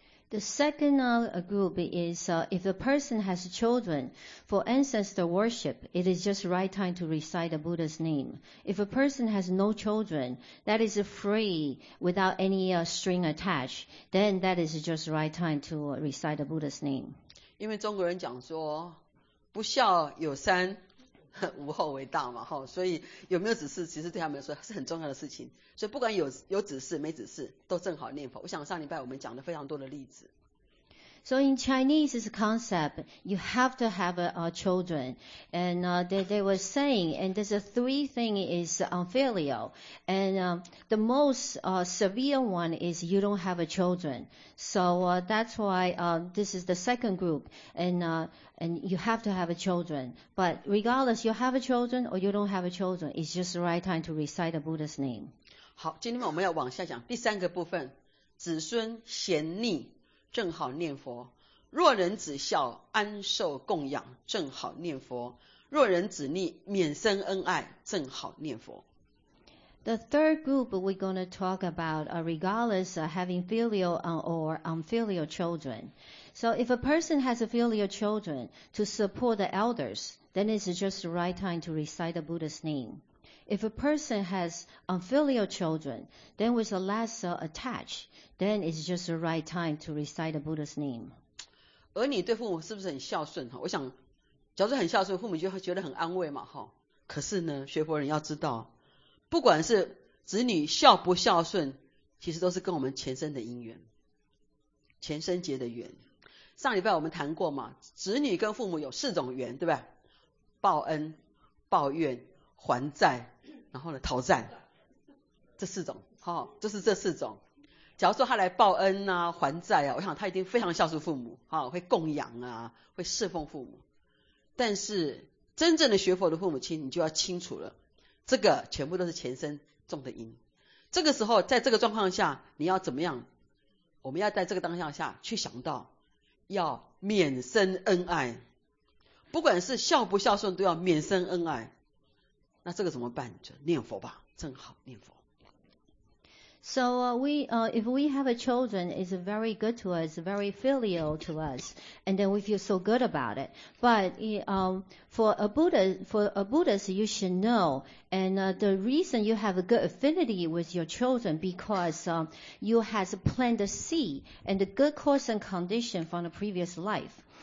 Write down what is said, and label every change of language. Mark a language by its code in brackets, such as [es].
[en] The second group is if the person has children for ancestor worship, it is just right time to recite the Buddha's name. If a person has no children, that is free without any string attached, then that is just right time to recite the Buddha's name. [zh] 因为中国人讲说，不孝有三，无后为大嘛，哈，所以有没有子嗣，其实对他们来说是很重要的事情。所以不管有子嗣没子嗣，都正好念佛。我想上礼拜我们讲了非常多的例子。 [en] So in Chinese, this concept, you have to have children. And they were saying, and there's three things is filial. And the most severe one is you don't have children. So that's why this is the second group. And you have to have children. But regardless, you have children or you don't have children, it's just the right time to recite the Buddha's name. [zh] 好，今天我们要往下讲第三个部分，子孙贤逆。正好念佛，若人子孝安受供养，正好念佛；若人子逆免生恩爱，正好念佛。 [en] The third group we're going to talk about, regardless of having filial or unfilial children. So if a person has filial children to support the elders, then it's just the right time to recite the Buddha's name. If a person has unfilial children, then with a less attached,then it's just the right time to recite the Buddha's name. [zh] 儿女对父母是不是很孝顺？我想，假如很孝顺，父母就会觉得很安慰嘛。可是呢，学佛人要知道，不管是子女孝不孝顺，其实都是跟我们前生的因缘，前生结的缘。上礼拜我们谈过嘛，子女跟父母有四种缘，对吧？报恩、报怨、还债，然后呢，讨债，这四种，好，就是这四种。假如说他来报恩啊还债啊，我想他一定非常孝顺父母、啊、会供养啊，会侍奉父母。但是真正的学佛的父母亲，你就要清楚了，这个全部都是前生种的因。这个时候在这个状况下你要怎么样，我们要在这个当下下去想到要免生恩爱，不管是孝不孝顺都要免生恩爱。那这个怎么办？就念佛吧，正好念佛。 [en] So if we have a children, it's very good to us, very filial to us, and then we feel so good about it. But for a Buddhist, you should know, and the reason you have a good affinity with your children because you have planted the seed and the good cause and condition from the previous life.